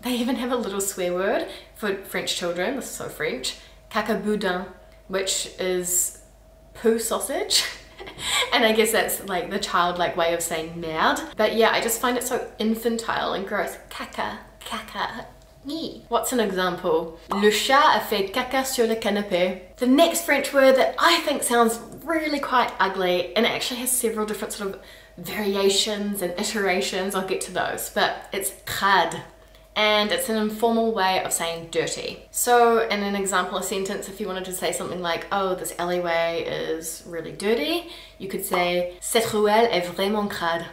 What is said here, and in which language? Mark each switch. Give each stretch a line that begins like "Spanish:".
English: They even have a little swear word for French children. This is so French. Caca boudin, which is poo sausage. And I guess that's like the childlike way of saying merde. But yeah, I just find it so infantile and gross. Caca, caca. What's an example?
French: Le chat a fait caca sur le canapé.
English: The next French word that I think sounds really quite ugly, and it actually has several different sort of variations and iterations, I'll get to those, but it's crade. And it's an informal way of saying dirty. So in an example, a sentence, if you wanted to say something like, oh, this alleyway is really dirty, you could say,
French: cette ruelle est vraiment crade.